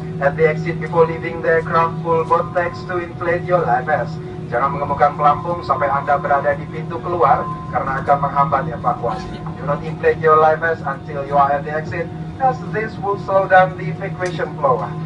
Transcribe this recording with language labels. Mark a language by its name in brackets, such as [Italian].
[English] At the exit before leaving the aircraft, pull both tags to inflate your life vest. [Indonesian] Jangan mengemukan pelampung sampai Anda berada di pintu keluar, karena akan menghambat evakuasi. [English] Do not inflate your life vest until you are at the exit, as this will slow down the evacuation flow.